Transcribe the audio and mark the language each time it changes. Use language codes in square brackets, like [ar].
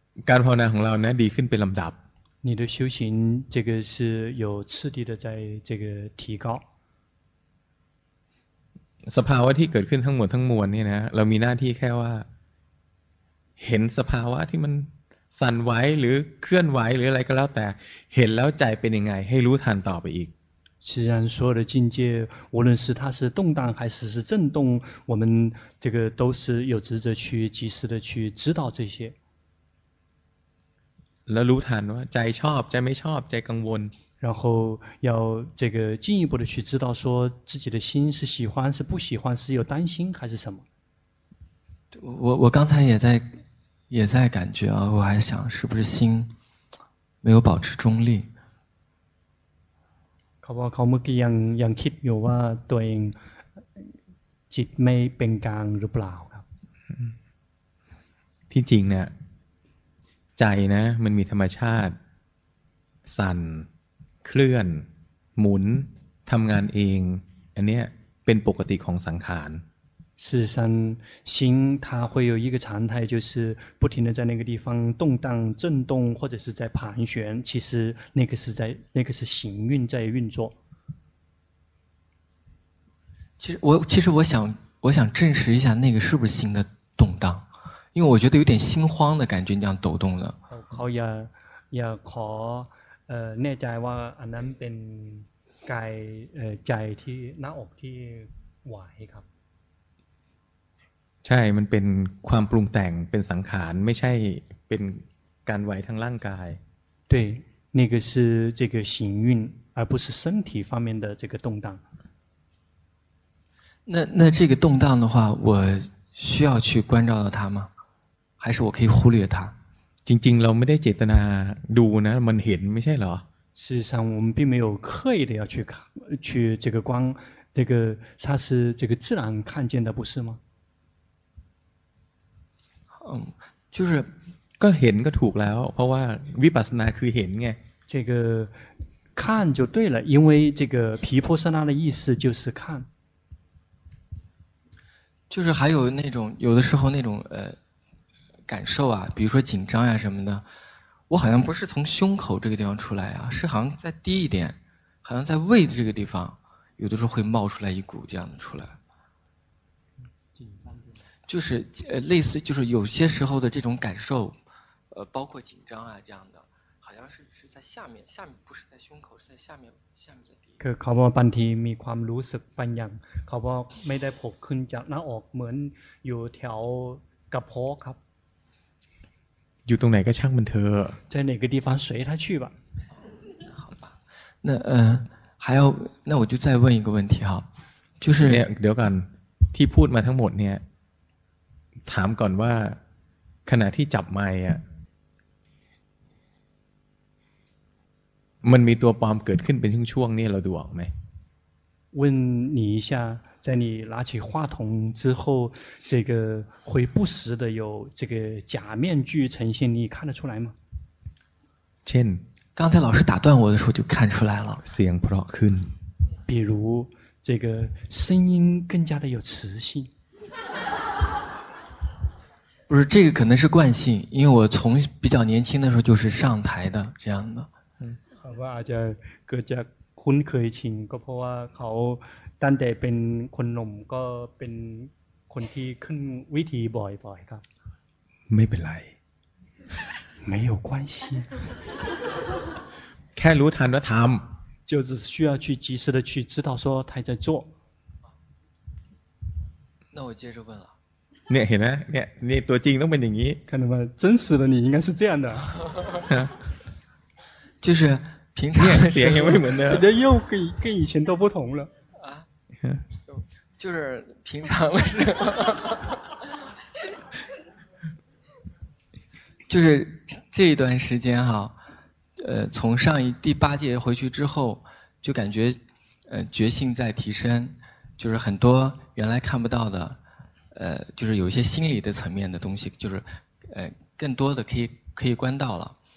[th] การภาวนาของเราเนี่ยดีขึ้นเป็นลำดับ [zh] 你的修行这个是有次第的在这个提高 [th] สภาวะที่เกิดขึ้นทั้งหมดนี่นะเรามีหน้าที่แค่ว่าเห็นสภาวะที่มันสั่นไหวหรือเคลื่อนไหวหรืออะไรก็แล้วแต่เห็นแล้วใจเป็นยังไงให้รู้ทันต่อไปอีก [zh] 虽然所有的境界无论是它是动荡还是是震动我们这个都是有职责去及时的去知道这些 [th] แล้วรู้ทันว่าใจชอบใจไม่ชอบใจกังวล [zh] 然后要这个进一步的去知道说自己的心是喜欢是不喜欢是有担心还是什么我刚才也在感觉啊我还想是不是心没有保持中立 [th] เขาเมื่อกี้ยังคิดอยู่ว่าตัวเองจิตไม่เป็นกลางหรือเปล่าครับ ที่จริงเนี่ยใจนะมันมีธรรมชาติสั่นเคลื่อนหมุนทำงานเองอันเนี้ยเป็นปกติของสังขาร [zh] 事实上心它会有一个常态，就是不停的在那个地方动荡震动或者是在盘旋，其实那个是在那个是行运在运作。其实我想证实一下那个是不是心的动荡，因为我觉得有点心慌的感觉，这样抖动的。好呀呀，好， [th] แน่ใจว่าอันนั้นเป็นกายใจที่หน้าอกที่ไหวครับ ใช่มันเป็นความปรุงแต่งเป็นสังขารไม่ใช่เป็นการไหวทางร่างกาย [zh] 对那个是这个行运而不是身体方面的这个动荡那这个动荡的话我需要去关照到它吗还是我可以忽略它 [th] จริงๆเราไม่ได้เจตนาดูนะมันเห็นไม่ใช่เหรอ [zh] 事实上我们并没有刻意的要去看去这个光这个它是这个自然看见的不是吗就是 [th] ก็เห็นก็ถูกแล้วเพราะว่าวิปัสสนาคือเห็นไง [zh] 这个看就对了因为这个毗婆舍那的意思就是看就是还有那种有的时候那种感受啊比如说紧张啊什么的我好像不是从胸口这个地方出来啊是好像再低一点好像在胃这个地方有的时候会冒出来一股这样的出来紧张就是类似就是有些时候的这种感受包括紧张啊这样的好像是在下面不是在胸口是在下面的地方 [th] คือเขาบอกบางทีมีความรู้สึกบางอย่างเขาบอกไม่ได้พกขึ้นจากหน้าออกเหมือนอยู่แถวกระเพาะครับ อยู่ตรงไหนก็ช่างมันเ ถอะ [zh] 在哪个地方随他去吧好吧那还要那我就再问一个问题哈就是 [th] เดี๋ยวก่อนที่พูดมาทั้งหมดเนี่ยถามก่อนว่าขณะที่จับไมค์อ่ะมันมีตัวปลอมเกิดขึ้นเป็นช่วงๆนี่เราดูออกไหม [zh] 问你一下在你拿起话筒之后这个会不时的有这个假面具呈现你看得出来吗 Chin, 刚才老师打断我的时候就看出来了 [th] เสียงเพราะขึ้น [zh] 比如这个声音更加的有磁性不是这个可能是惯性因为我从比较年轻的时候就是上台的这样的好吧 [th] อาจจะก็จะคุ้นเคยชินก็เพราะว่าเขาตั้งแต่เป็นคนหนุ่มก็เป็นคนที่ขึ้นวิธีบ่อยๆครับ ไม่เป็นไร [zh] 没有关系 [th] แค่รู้ทันว่าทำ [zh] 就是需要去及时的去知道说他在做那我接着问了 [th] เนี่ยเห็นไหมเนี่ยนี่ตัวจริงต้องเป็นอย่างนี้ [zh] 看到吗真实的你应该是这样的就是平常的脸也为什么呢又跟以前都不同了啊就是平常的时候就是这一段时间哈从上一第八届回去之后就感觉觉性在提升就是很多原来看不到的就是有一些心理的层面的东西就是更多的可以观到了